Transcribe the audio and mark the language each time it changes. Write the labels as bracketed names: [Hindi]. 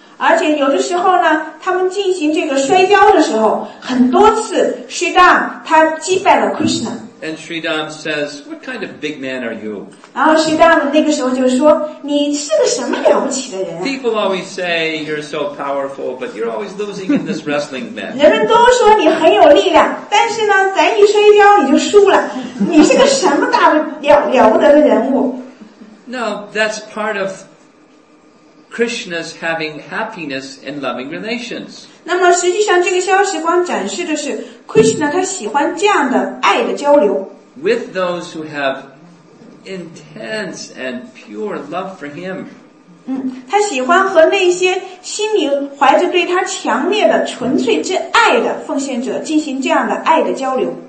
[Chinese] 而且有的时候呢，他们进行这个摔跤的时候，很多次 Sri Dham 他击败了 Krishna。 [English] And Sri Dham says, "What kind of big man are you?" [Chinese] 然后 Sri Dham 那个时候就说，你是个什么了不起的人 [English] ？People always say you're so powerful, but you're always losing in this wrestling match. [Chinese] 人们都说你很有力量，但是呢，咱一摔跤你就输了，你是个什么大的了不得的人物 [English] ？No, that's part of. Krishna's having happiness and loving relations. [Chinese] 那么实际上这个消息光展示的是 Krishna 他喜欢这样的爱的交流。 [English] With those who have intense and pure love for him. [Chinese] 他喜欢和那些心里怀着对他强烈的纯粹之爱的奉献者进行这样的爱的交流。